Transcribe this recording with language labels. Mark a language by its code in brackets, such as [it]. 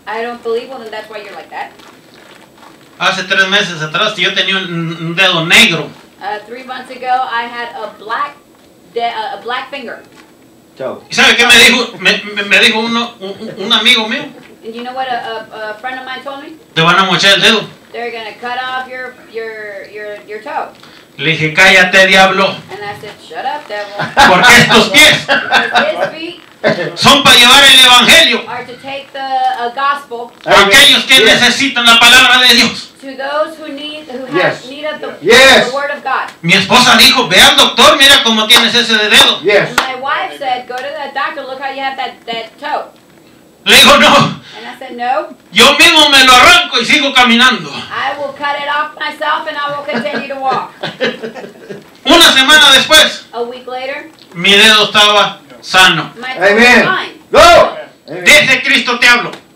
[en] I don't believe, well, then that's why you're like that. [es] Hace 3 meses atrás yo tenía un dedo negro. [en] 3 months ago I had a black finger. Toe. [es] ¿Y sabe qué me dijo? Me dijo un amigo mío. [en] And you know what a friend of mine told me? [es] Te van a mochar el dedo. [en] They're gonna cut off your toe. [es] Le dije, cállate, diablo. [en] And I said, shut up, devil. [es] Porque estos pies. Son para llevar el evangelio. [en] Are to take the gospel. [es] Amen. Aquellos que yes. necesitan la palabra de Dios. [en] To those who need, yes. need of yes. the word of God. [es] Mi esposa dijo, ve al doctor, mira cómo tienes ese dedo. [en] Yes. My wife said, go to the doctor, look how you have that toe. [es] Le digo, no. [en] And I said, no. [es] Yo mismo me lo arranco y sigo caminando. [en] I will cut it off myself and I will continue to walk. [es] Una semana después. [en] A week later. [es] Mi dedo estaba sano. [en] Amén. Go. [es] De ese Cristo te hablo.